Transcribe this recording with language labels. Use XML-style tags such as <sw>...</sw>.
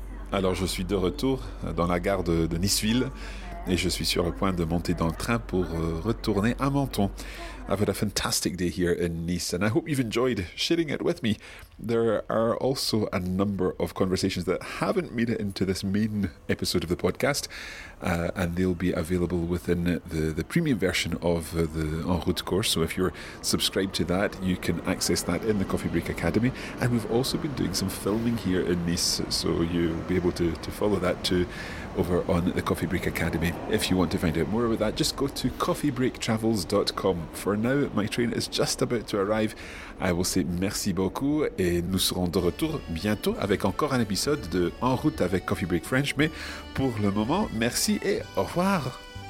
<fr>Alors je suis de retour dans la gare de Niceville et je suis sur le point de monter dans le train pour retourner à Menton.</fr> <en>I've had a fantastic day here in Nice and I hope you've enjoyed sharing it with me. There are also a number of conversations that haven't made it into this main episode of the podcast and they'll be available within the premium version of the En Route course. So if you're subscribed to that, you can access that in the Coffee Break Academy. And we've also been doing some filming here in Nice, so you'll be able to follow that too over on the Coffee Break Academy. If you want to find out more about that, just go to coffeebreaktravels.com. For now, my train is just about to arrive. I will say</en> <fr>merci beaucoup et nous serons de retour bientôt avec encore un épisode de En route avec Coffee Break French. Mais pour le moment, merci et au revoir.</fr>